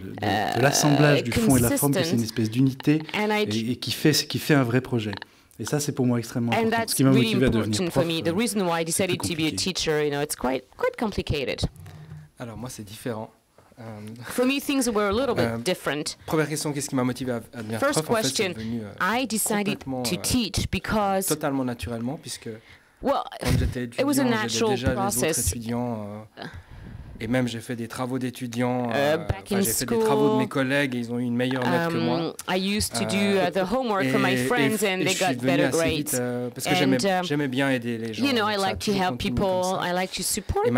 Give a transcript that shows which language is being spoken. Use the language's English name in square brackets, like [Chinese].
[French] l'assemblage du fond et de la forme, qui est une espèce d'unité et qui fait un vrai projet. Et ça, c'est pour moi extrêmement important. Ce qui m'a motivé à devenir prof. [English] The reason why I decided to be a teacher, you know, it's quite complicated. [French] Alors moi, c'est différent. [English] For me, things were a little bit different. [French] Première question, qu'est-ce qui m'a motivé à devenir prof? [English] First question, I decided to teach because [French] totalement naturellement, puisque quand j'étais étudiant, j'avais déjà les autres étudiants. Et même j'ai fait des travaux d'étudiants, j'ai fait des travaux de mes collègues et ils ont eu une meilleure note que moi. [English] I used to do the homework for my friends and they got better grades. [French] Parce que j'aimais bien aider les gens. [English] You know, I like to help people, I like to support them.